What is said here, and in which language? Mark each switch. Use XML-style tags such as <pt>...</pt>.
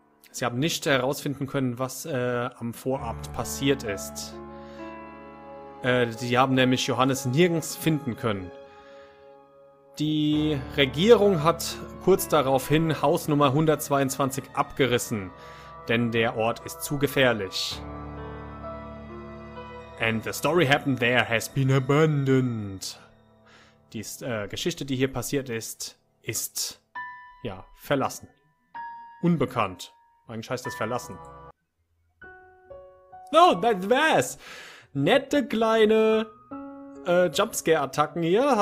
<de>Sie haben nicht herausfinden können, was am Vorabend passiert ist. Sie haben nämlich Johannes nirgends finden können. Die Regierung hat kurz daraufhin Haus Nummer 122 abgerissen, denn der Ort ist zu gefährlich.</de> <en>And the story happened there has been abandoned.</en> <de>Die Geschichte, die hier passiert ist, ist, ja, verlassen. Unbekannt. Eigentlich heißt das verlassen.</de> <en>Oh, that's was!</en> <de>Nette kleine Jumpscare-Attacken hier.</de>